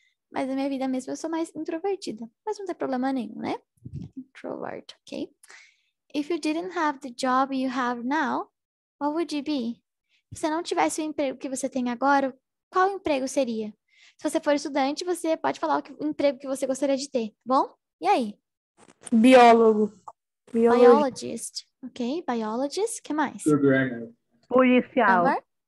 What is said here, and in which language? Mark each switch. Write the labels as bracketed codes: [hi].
[pt] Mas na minha vida mesmo eu sou mais introvertida. Mas não tem problema nenhum, né? Introvert, ok? [en] If you didn't have the job you have now, what would you be? [pt] Se você não tivesse o emprego que você tem agora, qual emprego seria? Se você for estudante, você pode falar o emprego que você gostaria de ter, tá bom? E aí? [en] Biologist, [pt] ok? Biologist, o que mais? [en] Programmer. [pt] Policial. Amor?